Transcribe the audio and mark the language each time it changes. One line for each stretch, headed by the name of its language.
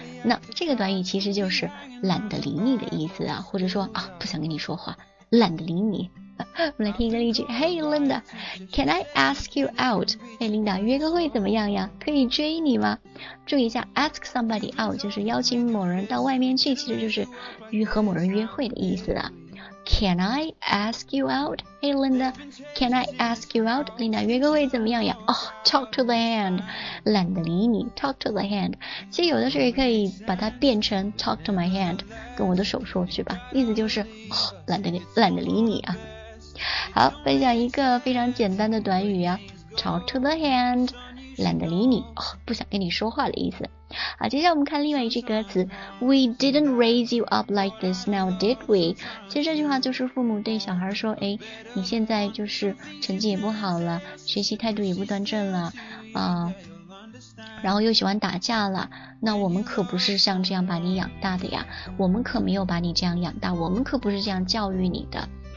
Chinese: 那这个短语其实就是懒得理你的意思啊，或者说啊，不想跟你说话，懒得理你。我们来听一个例句。
English: Hey Linda, can I ask you out?
Chinese: 哎，琳达，约个会怎么样呀？可以追你吗？注意一下 ask somebody out 就是邀请某人到外面去，其实就是和某人约会的意思啊。
English: Can I ask you out? Hey Linda, can I ask you out?
Chinese: 琳达，约个会怎么样呀？
English: talk to the hand，懒得理你， talk to the hand。
Chinese: 其实有的时候也可以把它变成 talk to my hand，跟我的手说去吧，意思就是懒得理你啊。好，分享一个非常简单的短语啊， talk to the hand，懒得理你，不想跟你说话的意思。好，接下来我们看另外一句歌词， We didn't raise you up like this now did we？其实这句话就是父母对小孩说，哎，你现在就是成绩也不好了，学习态度也不端正了，然后又喜欢打架了，那我们可不是像这样把你养大的呀，我们可没有把你这样养大，我们可不是这样教育你的。